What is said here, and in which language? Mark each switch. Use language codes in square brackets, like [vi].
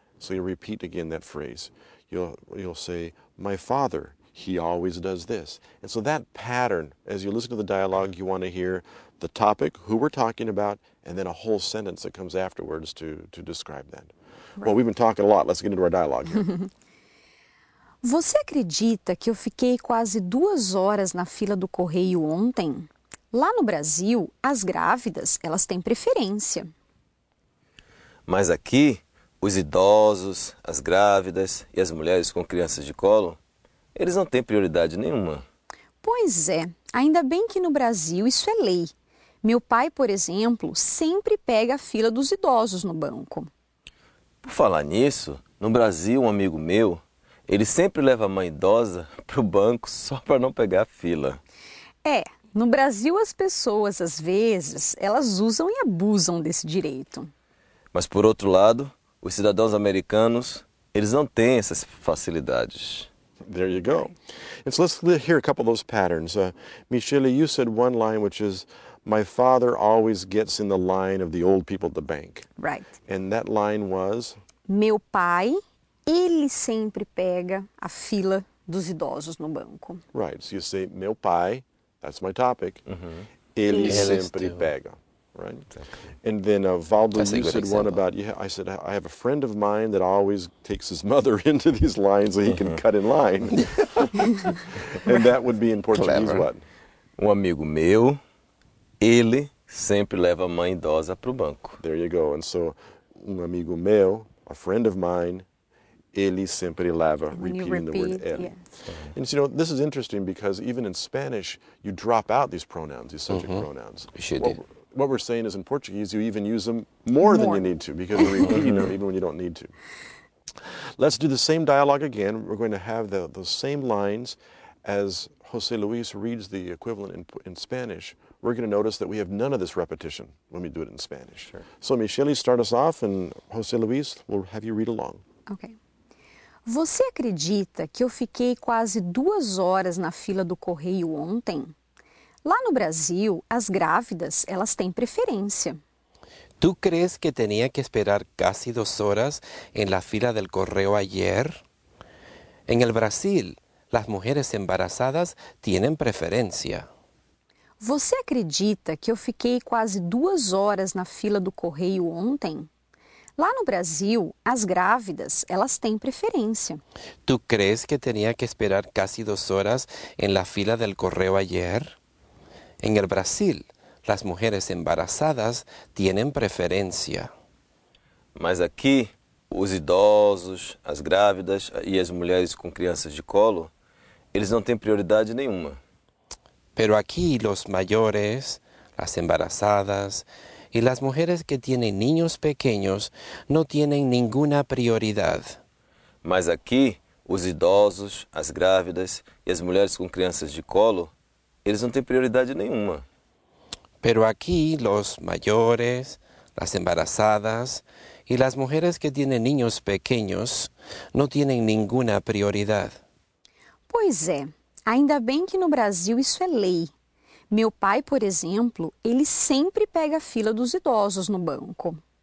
[en] So you repeat again that phrase. You'll say, my father, he always does this. And so that pattern, as you listen to the dialogue, you want to hear the topic, who we're talking about, and then a whole sentence that comes afterwards to describe that. Right. Well, we've been talking a lot. Let's get into our dialogue here. [pt] Você acredita que eu fiquei quase 2 horas na fila do correio ontem? Lá no Brasil, as grávidas, elas têm preferência. Mas aqui... Os idosos, as grávidas e as mulheres com crianças de colo, eles não têm prioridade nenhuma. Pois é, ainda bem que no Brasil isso é lei. Meu pai, por exemplo, sempre pega a fila dos idosos no banco. Por falar nisso, no Brasil, um amigo meu, ele sempre leva a mãe idosa para o banco só para não pegar a fila. É, no Brasil as pessoas, às vezes, elas usam e abusam desse direito. Mas por outro lado... Os cidadãos americanos, eles não têm essas facilidades. [en] There you go. And so let's hear a couple of those patterns. Michele, you said one line, which is, my father always gets in the line of the old people at the bank. Right. And that line was? [pt] Meu pai, ele sempre pega a fila dos idosos no banco. [en] Right. So you say, [pt] meu pai, [en] that's my topic, [pt] ele sempre pega. [en] Right, exactly. And then Valdo, you said one about, I said, I have a friend of mine that always takes his mother into these lines so he can cut in line. And that would be in Portuguese what? [pt] Um amigo meu, ele sempre leva a mãe idosa para o banco. [en] There you go. And so, [pt] um amigo meu, [en] a friend of mine, [pt] ele sempre leva, [en] repeating the word ele. Yeah. And so, you know, this is interesting because even in Spanish, you drop out these pronouns, these subject pronouns. What we're saying is in Portuguese, you even use them more than you need to, because you repeat them even when you don't need to. Let's do the same dialogue again. We're going to have those same lines. As José Luis reads the equivalent in Spanish, we're going to notice that we have none of this repetition when we do it in Spanish. Sure. So, Michele, start us off, and José Luis, we'll have you read along. Okay. [pt] Você acredita que eu fiquei quase 2 horas na fila do correio ontem? Lá no Brasil, as grávidas, elas têm preferência. [es] Tu crees que tenía que esperar casi 2 horas en la fila del correo ayer? En el Brasil, las mujeres embarazadas tienen preferencia. [pt] Você acredita que eu fiquei quase 2 horas na fila do correio ontem? Lá no Brasil, as grávidas, elas têm preferência. [es] Tu crees que tenía que esperar casi 2 horas en la fila del correo ayer? En el Brasil, las mujeres embarazadas tienen preferencia. [pt] Mas aqui, os idosos, as grávidas e as mulheres com crianças de colo, eles não têm prioridade nenhuma. [es] Pero aqui, los mayores, las embarazadas y las mujeres que tienen niños pequeños no tienen ninguna prioridad. [pt] Mas aqui, os idosos, as grávidas e as mulheres com crianças de colo, eles não têm prioridade nenhuma. [es] Pero aquí los mayores, las embarazadas y las mujeres que tienen niños pequeños no tienen ninguna prioridad. [pt] Pois é, ainda bem que no Brasil isso é lei. Meu pai, por exemplo, ele sempre pega a fila dos idosos no banco.